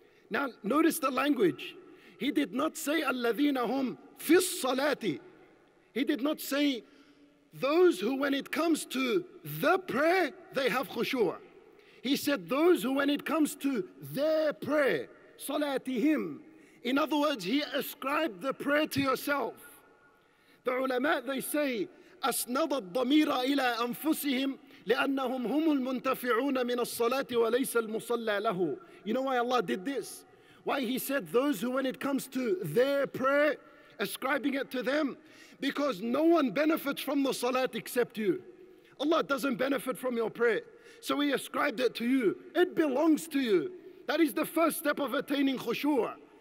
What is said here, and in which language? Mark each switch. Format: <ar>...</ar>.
<en>Now notice the language. He did not say</en> <ar>alladhina hum fi salati.</ar> <en>He did not say those who when it comes to the prayer, they have khushu'. He said those who when it comes to their prayer, salatihim. In other words, he ascribed the prayer to yourself. The ulama, they say,</en> <ar>أسند الضمير إلى أنفسهم لأنهم هم المنتفعون من الصلاة وليس المصلى له.</ar> <en>You know why Allah did this? Why He said those who, when it comes to their prayer, ascribing it to them? Because no one benefits from the salat except you. Allah doesn't benefit from your prayer. So He ascribed it to you. It belongs to you. That is the first step of attaining khushu'.</en>